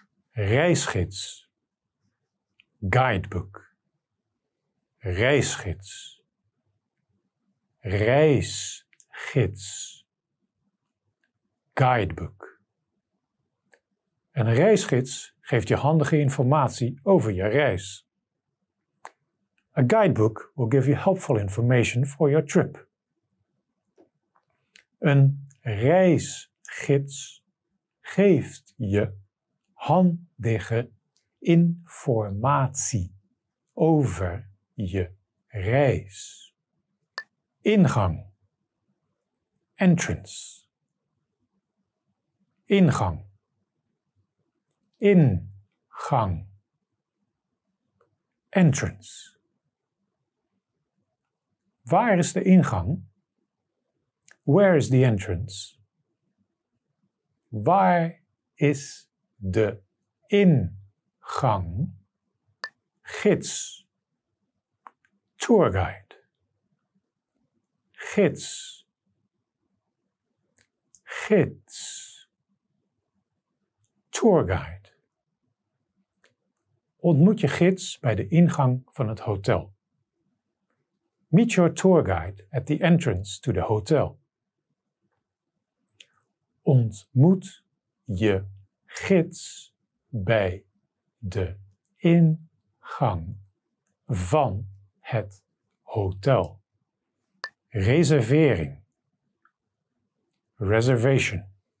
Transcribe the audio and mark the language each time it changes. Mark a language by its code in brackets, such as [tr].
[nl] Reisgids. Guidebook. Reisgids. Reisgids. Guidebook. Een reisgids geeft je handige informatie over je reis. [en] A guidebook will give you helpful information for your trip. [nl] Een reisgids geeft je handige informatie over je reis. Ingang. Entrance. Ingang. Ingang. [en] Entrance. [nl] Waar is de ingang? [en] Where is the entrance? [nl] Waar is de ingang? Gids. Tour guide. Gids. Gids. Tour guide. Ontmoet je gids bij de ingang van het hotel. [en] Meet your tour guide at the entrance to the hotel. [nl] Ontmoet je gids bij de ingang van het hotel. Reservering. Reservation.